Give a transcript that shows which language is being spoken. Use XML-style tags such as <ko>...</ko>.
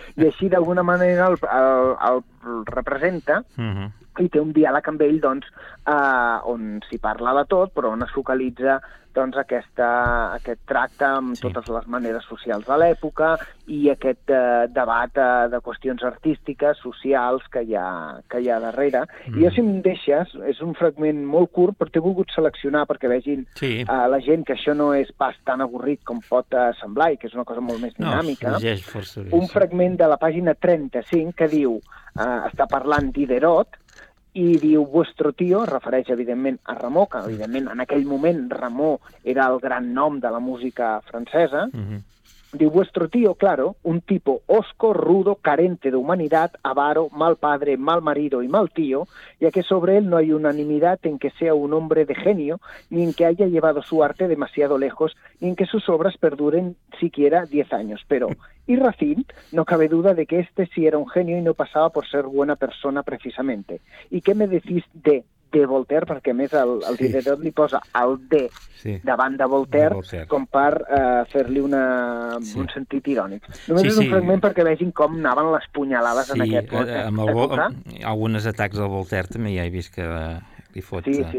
<ca>I així d'alguna manera el representa i té un diàleg amb ell doncs, on s'hi parla de tot, però on es focalitza doncs, aquest tracte amb totes les maneres socials de l'època i aquest debat de qüestions artístiques, socials, que hi ha darrere. I jo, si em deixes, és un fragment molt curt, però t'he volgut seleccionar perquè vegin la gent que això no és pas tan avorrit com pot semblar i que és una cosa molt més dinàmica. No, llegeix força bé, un fragment de la pàgina 35 que diu, està parlant Diderot, i diu, vuestro tío, refereix evidentment a Rameau, que evidentment en aquell moment Rameau era el gran nom de la música francesa, diu,</ca> <es>vuestro tío, claro, un tipo osco, rudo, carente de humanidad, avaro, mal padre, mal marido y mal tío, ya que sobre él no hay unanimidad en que sea un hombre de genio, ni en que haya llevado su arte demasiado lejos, ni en que sus obras perduren siquiera 10 años, pero... Y Racine, no cabe duda de que este sí era un genio y no pasaba por ser buena persona precisamente. ¿Y qué me decís de Voltaire?</es> <ca>Perquè a més el Diderot li posa el de davant de Voltaire, com per fer-li un sentit irònic. Només és un fragment perquè vegin com anaven les punyalades en aquest moment. Algunes atacs al Voltaire també ja he vist que li fot...</ca>